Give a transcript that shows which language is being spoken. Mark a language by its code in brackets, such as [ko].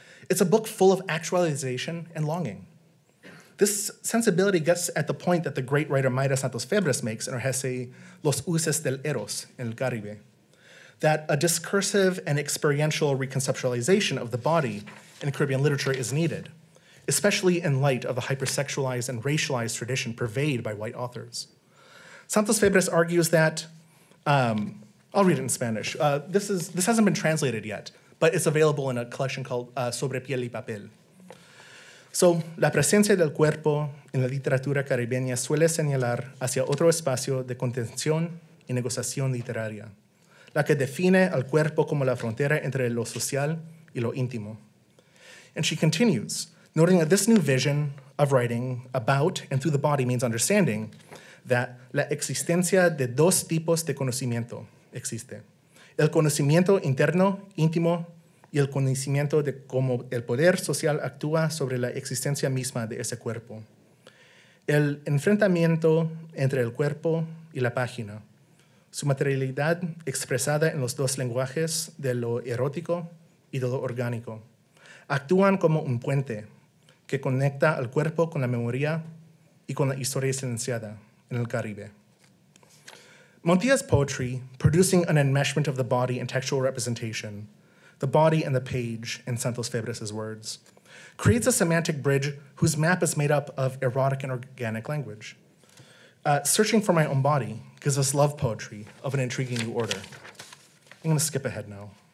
[en] It's a book full of actualization and longing. This sensibility gets at the point that the great writer Mayra Santos Febres makes in her essay, Los Uses del Eros en el Caribe, that a discursive and experiential reconceptualization of the body in Caribbean literature is needed, especially in light of the hypersexualized and racialized tradition pervaded by white authors. Santos Febres argues that, I'll read it in Spanish. This hasn't been translated yet, but it's available in a collection called Sobre Piel y Papel. [es] So, la presencia del cuerpo en la literatura caribeña suele señalar hacia otro espacio de contención y negociación literaria, la que define al cuerpo como la frontera entre lo social y lo íntimo. [en] And she continues, noting that this new vision of writing about and through the body means understanding that [es] la existencia de dos tipos de conocimiento existe. El conocimiento interno, íntimo, y el conocimiento de cómo el poder social actúa sobre la existencia misma de ese cuerpo. El enfrentamiento entre el cuerpo y la página, su materialidad expresada en los dos lenguajes de lo erótico y de lo orgánico, actúan como un puente que conecta al cuerpo con la memoria y con la historia silenciada en el Caribe. [en] Montilla's poetry, producing an enmeshment of the body in textual representation, the body and the page, in Santos Febres' words, creates a semantic bridge whose map is made up of erotic and organic language. Searching for my own body gives us love poetry of an intriguing new order. I'm gonna skip ahead now.